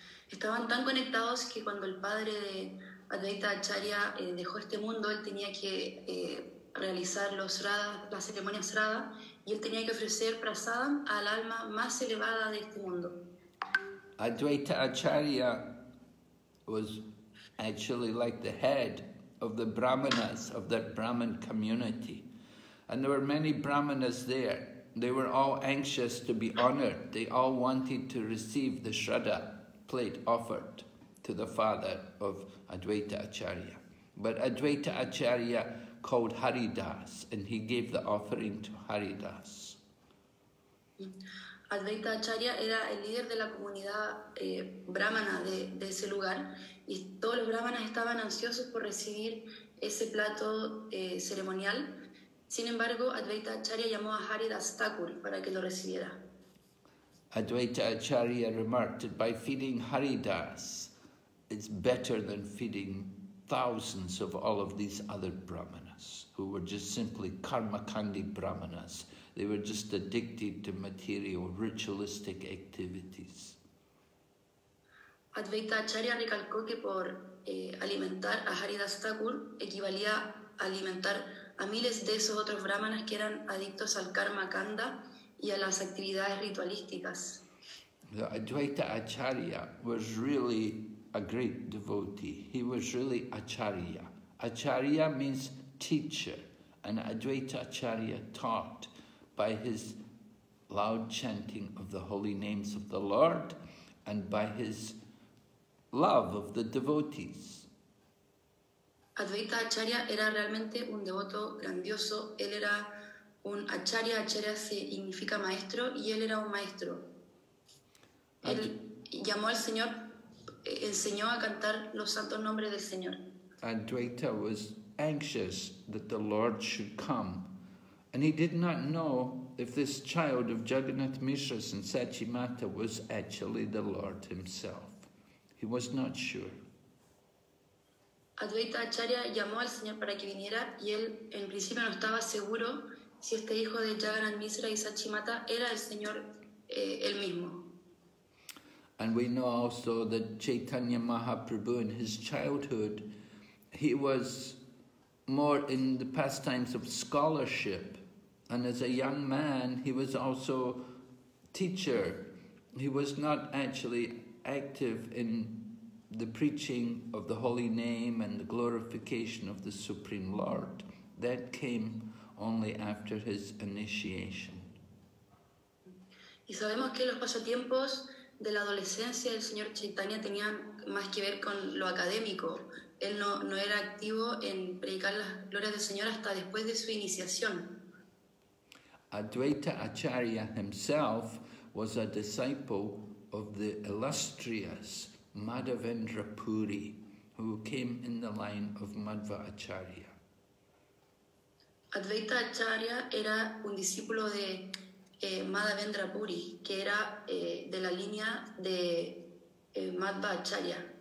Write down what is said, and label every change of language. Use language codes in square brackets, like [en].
[es] Estaban tan conectados que cuando el padre de Advaita Acharya dejó este mundo, él tenía que realizar los Shraddha, la ceremonia Shraddha, y él tenía que ofrecer Prasadam al alma más elevada de este mundo. [en] Advaita Acharya was actually like the head of the Brahmanas of that Brahman community. And there were many Brahmanas there. They were all anxious to be honored. They all wanted to receive the Shraddha plate offered to the father of Advaita Acharya. But Advaita Acharya called Haridas, and he gave the offering to Haridas. [es] Advaita Acharya era el líder de la comunidad brahmana de ese lugar, y todos los brahmanas estaban ansiosos por recibir ese plato ceremonial. Sin embargo, Advaita Acharya llamó a Haridas Thakur para que lo recibiera. [en] Advaita Acharya remarked that by feeding Haridas, it's better than feeding thousands of all of these other brahmanas who were just simply karmakandi brahmanas. They were just addicted to material ritualistic activities. [es] Advaita Acharya recalcó que por alimentar a Haridas Thakur equivalía a alimentar a miles de esos otros brahmanas que eran adictos al karmakanda y a las actividades ritualísticas. [en] Advaita Acharya was really a great devotee. He was really Acharya. Acharya means teacher, and Advaita Acharya taught by his loud chanting of the holy names of the Lord and by his love of the devotees. [es] Advaita Acharya era realmente un devoto grandioso. Él era un Acharya. Acharya significa maestro, y él era un maestro. Él llamó al Señor, enseñó a cantar los santos nombres del Señor. [en] Advaita was anxious that the Lord should come, and he did not know if this child of Jagannath Mishra and Sachimata was actually the Lord himself. He was not sure. [es] Advaita Acharya llamó al Señor para que viniera, y él en principio no estaba seguro si este hijo de Jagannath Mishra y Sachimata era el Señor él mismo. [en] And we know also that Chaitanya Mahaprabhu in his childhood, he was more in the pastimes of scholarship. And as a young man, he was also teacher. He was not actually active in the preaching of the holy name and the glorification of the Supreme Lord. That came only after his initiation. [es] Y sabemos que los pasatiempos de la adolescencia del señor Chaitanya tenía más que ver con lo académico. Él no era activo en predicar las glorias del Señor hasta después de su iniciación. [en] Advaita Acharya himself was a disciple of the illustrious Madhavendra Puri, who came in the line of Madhva Acharya. [es] Advaita Acharya era un discípulo de Madhavendra Puri, que era de la línea de Madhva Acharya.